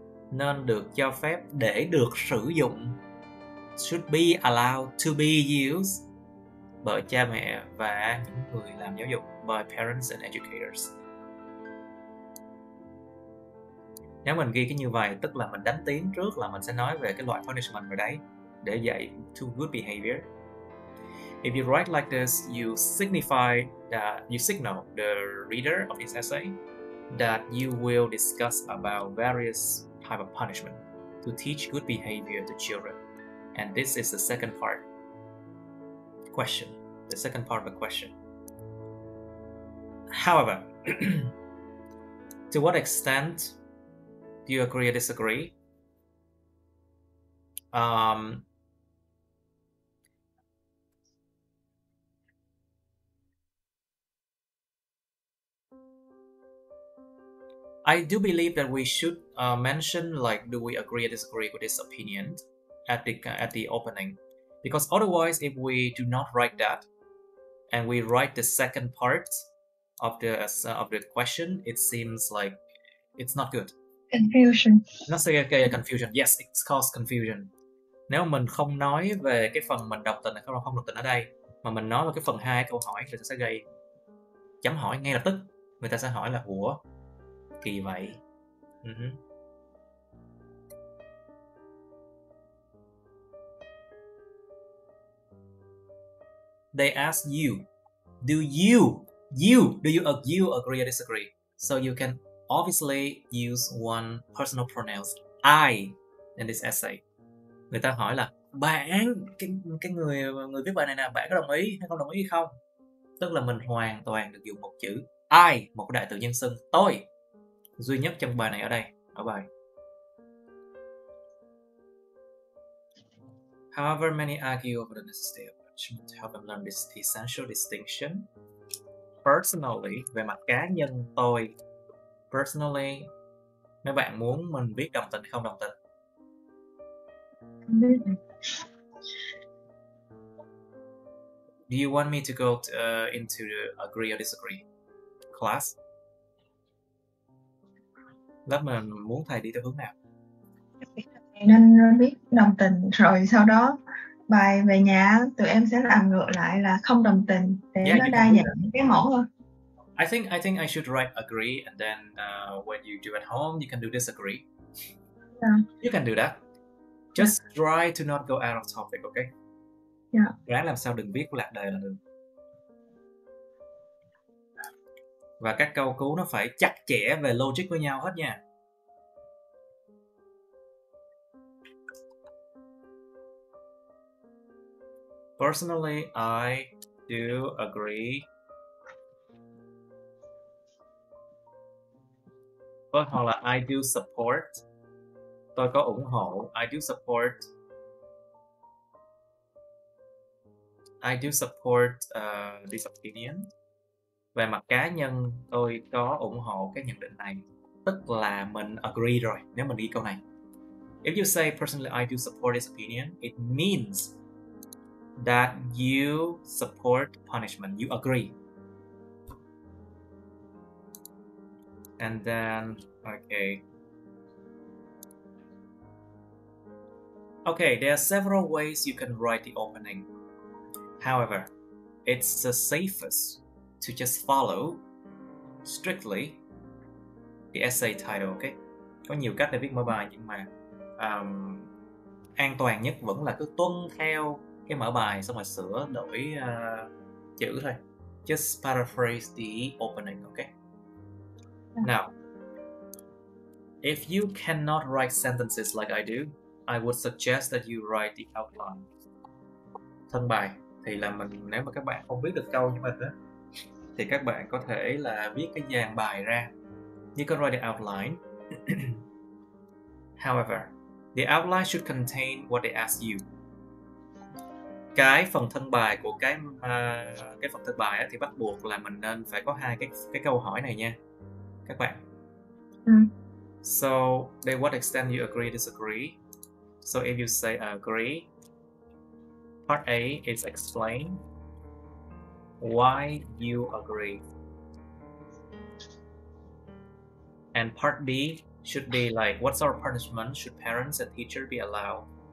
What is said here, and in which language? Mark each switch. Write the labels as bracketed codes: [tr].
[vi] Nên được cho phép để được sử dụng. [en] Should be allowed to be used [vi] bởi cha mẹ và những người làm giáo dục, [en] by parents and educators. [vi] Nếu mình ghi cái như vậy, tức là mình đánh tiếng trước là mình sẽ nói về cái loại punishment rồi đấy, để dạy [en] to good behavior. If you write like this, you signify that you signal the reader of this essay that you will discuss about various type of punishment to teach good behavior to children. And this is the second part. Question. The second part of the question. However, to what extent do you agree or disagree? I do believe that we should mention, like, do we agree or disagree with this opinion at the opening. Because otherwise, if we do not write that, and we write the second part of the question, it seems like it's not good. Confusion. Not say okay, confusion. Yes, it's caused confusion. [vi] Nếu mình không nói về cái phần mình đọc tình, không đọc tình ở đây, mà mình nói về cái phần hai câu hỏi, thì sẽ gây chấm hỏi ngay lập tức. Người ta sẽ hỏi là, ủa, kỳ vậy. [en] They ask you, do you agree or disagree? So you can obviously use one personal pronoun, I, in this essay. [vi] Người ta hỏi là bạn, cái người viết bài này nè, bạn có đồng ý hay không đồng ý không? Tức là mình hoàn toàn được dùng một chữ I, một đại từ nhân xưng, tôi, duy nhất trong bài này ở đây, ở bài. [en] However, many argue over the necessity of punishment to help them learn this essential distinction. [vi] Personally, về mặt cá nhân tôi, personally, nếu bạn muốn mình biết đồng tình hay không đồng tình. [en] Do you want me to go to, into the agree or disagree class? [vi] Lớp mình muốn thầy đi theo hướng nào? Nên biết đồng tình rồi sau đó bài về nhà tụi em sẽ làm ngược lại là không đồng tình để nó đa dạng cái mẫu hơn. [en] I think I should write agree and then when you do at home you can do disagree. Yeah. You can do that. Just try to not go out of topic, okay? Yeah. [vi] Ráng làm sao đừng biết lạc đề là được. Và các câu cú nó phải chặt chẽ về logic với nhau hết nha. [en] Personally, I do agree. [vi] But hoặc là [en] I do support. [vi] Tôi có ủng hộ. [en] I do support this opinion. [vi] Về mặt cá nhân, tôi có ủng hộ cái nhận định này. Tức là mình agree rồi, nếu mình đi câu này. [en] If you say, personally, I do support this opinion, it means that you support punishment. You agree. And then, okay, there are several ways you can write the opening. However, it's the safest to just follow strictly the essay title, okay? [vi] Có nhiều cách để viết mở bài nhưng mà an toàn nhất vẫn là cứ tuân theo cái mở bài xong rồi sửa đổi chữ thôi. [en] Just paraphrase the opening, okay? Now, if you cannot write sentences like I do, I would suggest that you write the outline. [vi] Thân bài thì là mình, nếu mà các bạn không biết được câu như mình á, thì các bạn có thể là viết cái dàn bài ra. [en] You can write the outline. However, The outline should contain what they ask you. [vi] Cái phần thân bài của cái phần thân bài thì bắt buộc là mình nên phải có hai cái câu hỏi này nha các bạn. [en] So, to what extent you agree or disagree? So if you say agree, part A is explain why you agree. And part B should be like, what sort of punishment should parents and teacher be allowed?